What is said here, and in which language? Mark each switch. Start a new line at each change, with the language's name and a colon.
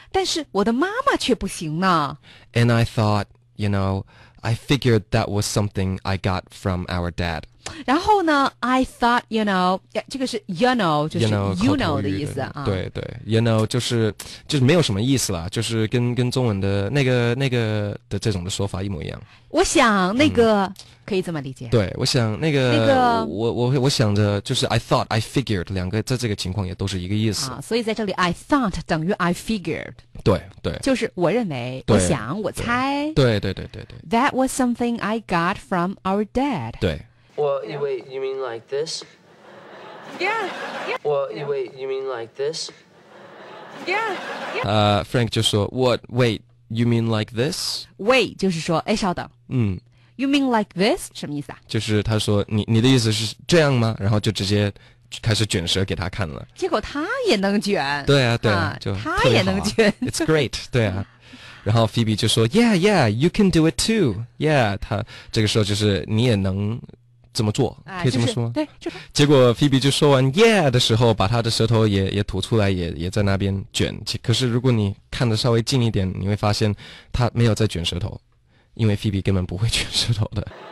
Chinese: 但是我的妈妈却不行呢。
English: And I thought, you know, I figured that was something I got from our dad.
Chinese: 然后呢
English: I thought, you know,
Chinese: 这个是
English: you know,
Chinese: 就是
English: you know, you know
Chinese: 的意思啊。对对 ,
English: you know,
Chinese: 就是没有什么意思啦，就是跟中文的那个的这种的说法一模一样。我想那个、可以这么理解。对，我想那个我想着就是
English: I thought, I figured,
Chinese: 两个在这个情况也都是一个意思。所以在这里
English: I thought
Chinese: 等于
English: I figured。
Chinese: 对对。就是我认为我想我猜。对对对对对。
English: That was something I got from our dad.
Chinese: 对。
English: Well, you wait, you mean like this? Yeah, yeah. Well, you wait, you mean like this? Yeah, yeah. Frank
Chinese: 就说
English: What, wait, you mean like this? Wait,
Chinese: 就是说哎稍等。
English: You mean like this?
Chinese: 什么意思啊？就是他说你的意思是这样吗？然后就直接开始卷舌给他看了。结果他也能卷。对啊对啊。就特别好啊、他也能卷。
English: It's great,
Chinese: 对啊。然后
English: Phoebe
Chinese: 就说
English: Yeah, yeah, you can do it too. Yeah,
Chinese: 他这个时候就是你也能怎么做可以这么说、就是、对就结果 Phoebe 就说完 yeah 的时候把他的舌头也吐出来也在那边卷可是如果你看得稍微近一点你会发现他没有在卷舌头因为 Phoebe 根本不会卷舌头的